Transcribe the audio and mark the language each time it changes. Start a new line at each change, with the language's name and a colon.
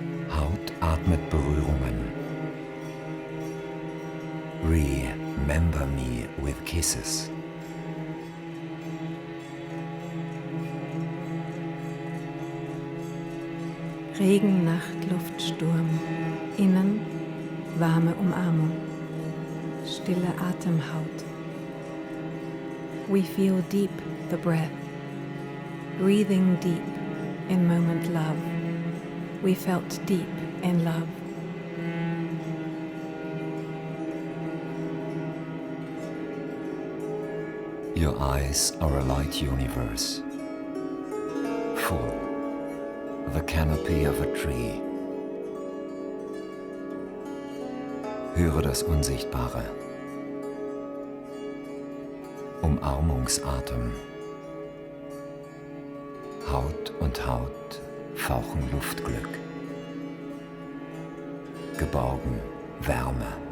German: Haut atmet Berührungen.
English: Remember me with kisses.
German: Regen, Nacht, Luft, Sturm. Innen warme Umarmung. Stille Atemhaut.
English: We feel deep the breath. Breathing deep in moment love. We felt deep in love. Your eyes are a light universe, full, the canopy of a tree.
German: Höre das Unsichtbare, Umarmungsatem, Haut und Haut fauchen Luftglück, geborgen Wärme.